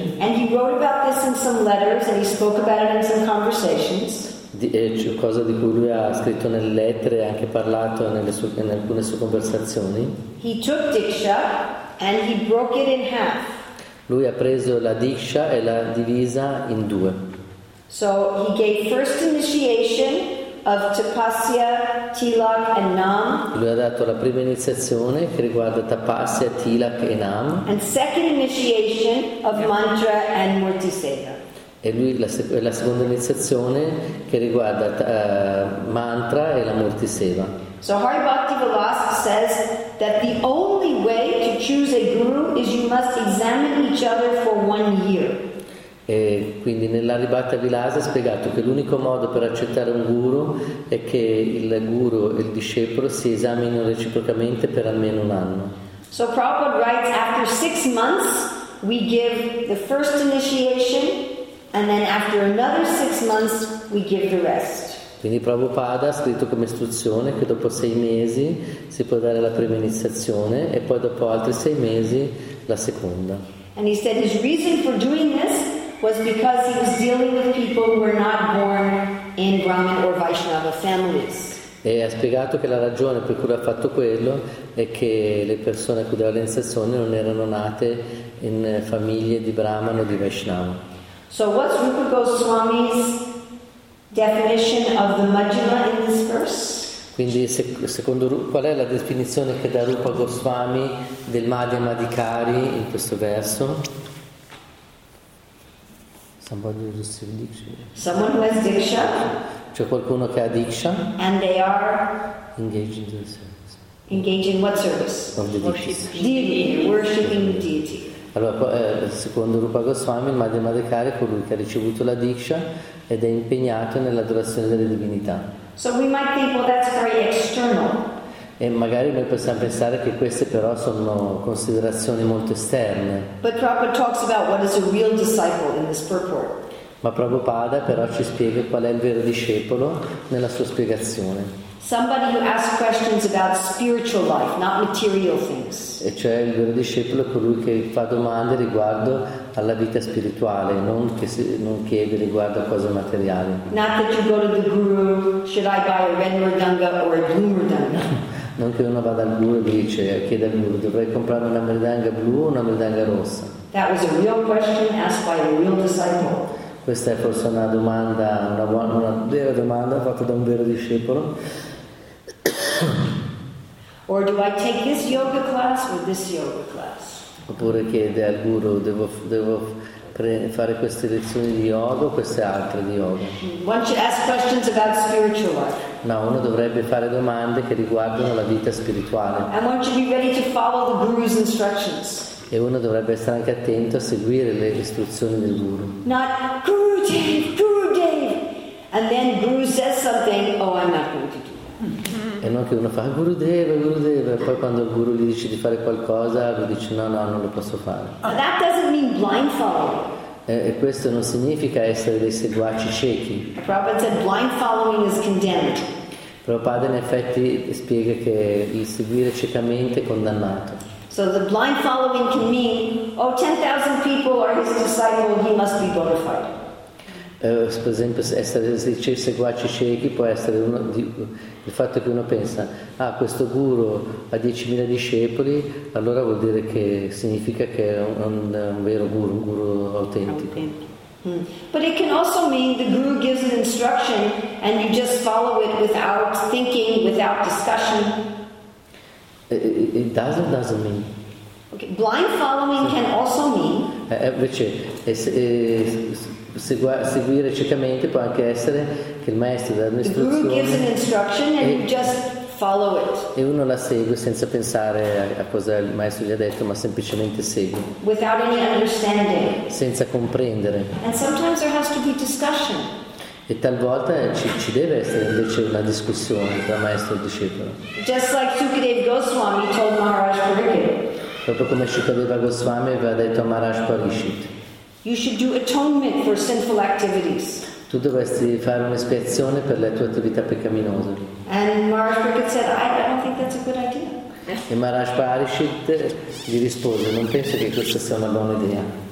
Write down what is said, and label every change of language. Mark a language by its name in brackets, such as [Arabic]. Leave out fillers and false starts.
[English] and he wrote about this in some letters, and he spoke about it in some conversations. [Italian] Cosa di cui lui ha scritto nelle lettere e anche parlato in alcune sue conversazioni. [English] He took diksha and he broke it in half. [Italian] Lui ha preso la diksha e l'ha divisa in due. [English] So he gave first initiation of tapasya, tilak, and nam. [Italian] Lui ha dato la prima iniziazione che riguarda tapasya, tilak e nam. [English] And second initiation of mantra and murti seva. [Italian] E lui la seconda iniziazione che riguarda mantra e la murti seva. [English] So Hari Bhakti Vilas says that the only way to choose a guru is you must examine each other for 1 year. [Italian] E quindi nell'Aribhatta Vilasa ha spiegato che l'unico modo per accettare un guru è che il guru e il discepolo si esaminino reciprocamente per almeno un anno. [English] So Prabhupada writes, after 6 months we give the first initiation and then after another 6 months we give the rest. [Italian] Quindi Prabhupada ha scritto come istruzione che dopo 6 mesi si può dare la prima iniziazione e poi dopo altri 6 mesi la seconda. [English] And he said his reason for doing this was because he was dealing with people who were not born in Brahmin or Vaishnava families. [Italian] E ha spiegato che la ragione per cui ha fatto quello è che le persone a cui dava l'iniziazione non erano nate in famiglie di Brahman o di Vaishnava. [English] So what's Rupa Goswami's definition of the Madhyama in this verse? [Italian] Quindi secondo qual è la definizione che dà Rupa Goswami del Madhyama Adhikari in questo verso? [English] Somebody who has diksha. [Italian] Cioè qualcuno che ha diksha. [English] And they are engaged in the service. Engaged in what service? Worshipping the deity. [Italian] Allora, secondo Rupa Goswami, il Madhyama Adhikari è colui che ha ricevuto la diksha ed è impegnato nell'adorazione delle divinità. [English] So we might think, well, that's very external. [Italian] E magari noi possiamo pensare che queste però sono considerazioni molto esterne. [English] But Prabhupada talks about what is a real disciple in this purport. [Italian] Ma Prabhupada però ci spiega qual è il vero discepolo nella sua spiegazione. [English] Somebody who asks questions about spiritual life, not material things. [Italian] E cioè il vero discepolo è colui che fa domande riguardo alla vita spirituale, non chiede riguardo a cose materiali. [English] Not that you go to the guru, should I buy a red mridanga or a blue mridanga? [Italian] Non che uno vada al guru e dice, chiede al guru, dovrei comprare una mridanga blu o una mridanga rossa? [English] That was a real question asked by a real disciple. [Italian] Questa è forse una domanda, una vera domanda fatta da un vero discepolo. [English] Or do I take this yoga class or this yoga class? [Italian] Oppure chiede al guru, devo fare queste lezioni di yoga o queste altre di yoga? [English] One should ask questions about spiritual life. [Italian] No, uno dovrebbe fare domande che riguardano la vita spirituale. [English] And one should be ready to follow the guru's instructions. [Italian] E uno dovrebbe stare anche attento a seguire le istruzioni del guru. [English] Not Guru Dave, Guru Dave, and then Guru says something, oh, I'm not going to do that. [Italian] E non che uno fa Guru Dave, Guru Dave, e poi quando il guru gli dice di fare qualcosa, lui dice no, non lo posso fare. [English] That doesn't mean blind following. [Italian] E questo non significa essere dei seguaci ciechi. [English] Prabhupada said blind following is condemned. [Italian] Prabhupada in effetti spiega che il seguire ciecamente è condannato. [English] So the blind following can mean, oh, 10,000 people are his disciple, he must be bona fide. [Italian] Per esempio, essere seguaci ciechi può essere uno di, il fatto che uno pensa, ah, questo guru ha 10,000 discepoli, allora vuol dire che significa che è un vero guru, un guru autentico. [English] But it can also mean the guru gives an instruction and you just follow it without thinking, without discussion. It doesn't mean. Okay. Blind following can also mean. [Italian] Invece, seguire ciecamente può anche essere che il maestro dà un'istruzione. [English] The guru gives an instruction and you just follow it. [Italian] E uno la segue senza pensare a cosa il maestro gli ha detto, ma semplicemente segue. [English] Without any understanding. [Italian] Senza comprendere. [English] And sometimes there has to be discussion. [Italian] E talvolta ci deve essere invece una discussione tra maestro e discepolo. [English] Just like Sukadeva Goswami told Maharaj Parikshit. [Italian] Proprio come Sukadeva Goswami aveva detto a Maharaj Parikshit. [English] You should do atonement for sinful activities. [Italian] Tu dovresti fare un'espiazione per le tue attività peccaminose. [English] And Maharaj Parikshit said, I don't think that's a good idea. [Italian] E Maharaj Parikshit gli rispose, non penso che questa sia una buona idea.